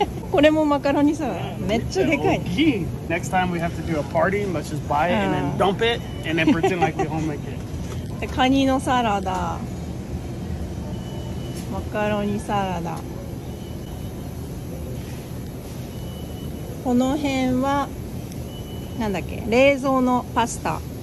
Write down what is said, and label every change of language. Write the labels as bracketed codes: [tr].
[ja] これもマカロニサラダ、めっちゃでかい。大きい。 [en] Next time we have to do a party, let's just buy it and then dump it and then pretend like we home make it. [ja] カニのサラダ、マカロニサラダ。この辺はなんだっけ、冷蔵のパスタ。